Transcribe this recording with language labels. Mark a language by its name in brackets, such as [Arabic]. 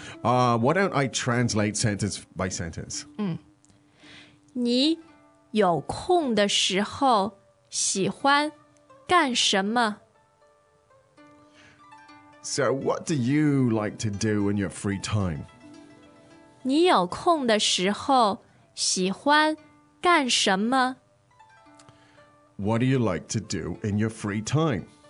[English] Why don't I translate sentence by sentence? [Chinese] 你有空的时候...喜欢干什么? [English] So, what do you like to do in your free time? [Chinese] 你有空的时候喜欢干什么? [English] What do you like to do in your free time?